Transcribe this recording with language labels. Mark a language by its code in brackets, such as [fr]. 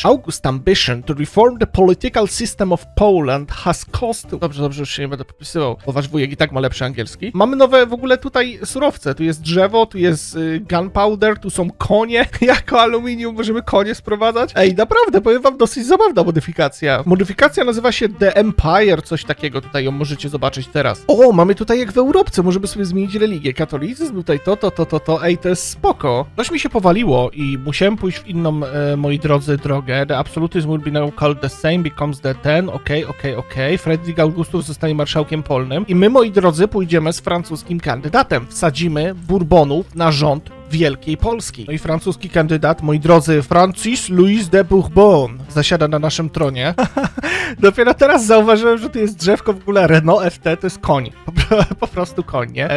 [en] August's ambition to reform the political system of Poland has cost... [pl] Dobrze, już się nie będę popisywał, bo wasz wujek i tak ma lepszy angielski. Mamy nowe w ogóle tutaj surowce. Tu jest drzewo, tu jest gunpowder, tu są konie. Jako aluminium możemy konie sprowadzać. Ej, naprawdę, powiem wam, dosyć zabawna modyfikacja. Modyfikacja nazywa się The Empire, coś takiego. Tutaj ją możecie zobaczyć teraz. O, mamy tutaj jak w Europce, możemy sobie zmienić religię. Katolicyzm, tutaj to. Ej, to jest spoko. Coś mi się powaliło i musiałem pójść w inną, moi drodzy, drogę. [en] The absolutism will be now called the same, becomes the ten. [pl] Okej. Fryderyk Augustus zostanie marszałkiem polnym. I my, moi drodzy, pójdziemy z francuskim kandydatem. Wsadzimy Bourbonów na rząd Wielkiej Polski. No i francuski kandydat, moi drodzy, Francis Louis de Bourbon, zasiada na naszym tronie. Dopiero teraz zauważyłem, że to jest drzewko w ogóle. Renault FT to jest koń. Po prostu koń, nie?